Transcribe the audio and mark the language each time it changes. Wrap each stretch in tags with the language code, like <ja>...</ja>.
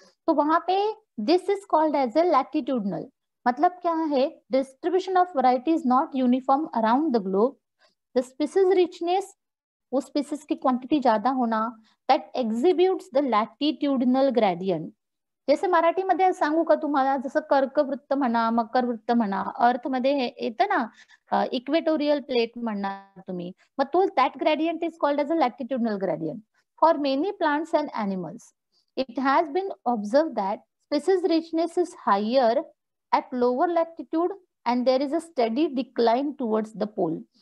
<hi>तो वहां पे</hi> <en>this is called as a latitudinal,</en> <hi>मतलब क्या है,</hi> <en>distribution of variety is not uniform around the globe, the species richness,</en> <hi>वो स्पीसीज की क्वांटिटी ज्यादा होना,</hi> <en>That exhibits the latitudinal gradient.</en> <hi>जैसे</hi> <mr>मराठी मध्ये सांगू का तुम्हाला, जसं कर्क वृत्त म्हणा, मकर वृत्त म्हणा, अर्थ मध्ये येतं ना इक्वेटोरियल प्लेट म्हणणार तुम्ही, मग तो</mr> <en>That gradient is called as a latitudinal gradient. For many plants and animals, it has been observed that species richness is higher at lower latitude and there is a steady decline towards the pole.</en>